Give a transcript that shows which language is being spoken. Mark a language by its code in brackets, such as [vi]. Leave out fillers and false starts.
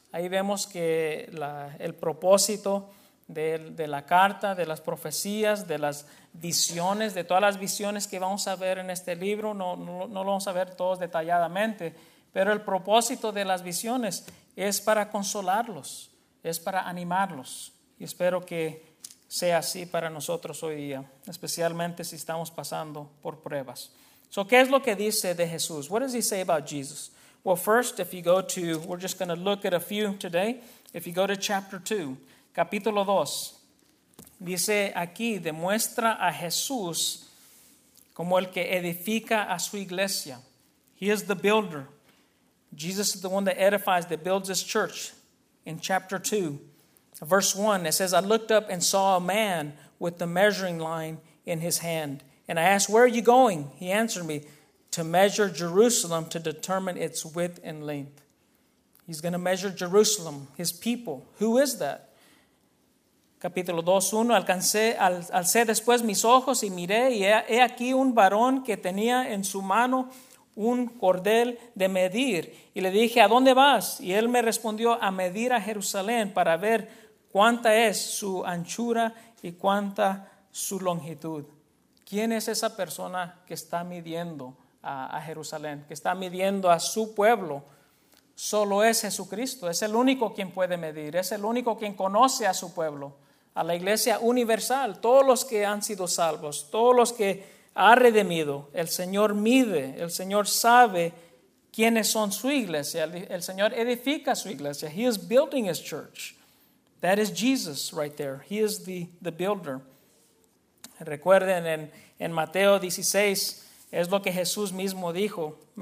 [es] Ahí vemos que el propósito de la carta, de las profecías, de las visiones, de todas las visiones que vamos a ver en este libro, no lo vamos a ver todos detalladamente, pero el propósito de las visiones es para consolarlos, es para animarlos, y espero que sea así para nosotros hoy día, especialmente si estamos pasando por pruebas. So ¿qué es lo que dice de Jesús? [en] What does he say about Jesus? Well, first, if you go to, we're just going to look at a few today. If you go to chapter 2, [es] capítulo 2, dice aquí, demuestra a Jesús como el que edifica a su iglesia. [en] He is the builder. Jesus is the one that edifies, that builds his church. In chapter 2, verse 1, it says, I looked up and saw a man with the measuring line in his hand. And I asked, where are you going? He answered me, to measure Jerusalem to determine its width and length. He's going to measure Jerusalem, his people. Who is that? [es] Capítulo 2, 1, alcé después mis ojos y miré, y he aquí un varón que tenía en su mano un cordel de medir. Y le dije, ¿a dónde vas? Y él me respondió, a medir a Jerusalén para ver cuánta es su anchura y cuánta su longitud. ¿Quién es esa persona que está midiendo a Jerusalén, que está midiendo a su pueblo? Solo es Jesucristo, es el único quien puede medir, es el único quien conoce a su pueblo, a la iglesia universal, todos los que han sido salvos, todos los que ha redimido. El Señor mide, el Señor sabe quiénes son su iglesia, el Señor edifica su iglesia. [en] He is building his church. That is Jesus right there. He is the builder. [es] Recuerden en Mateo 16, es lo que Jesús mismo dijo.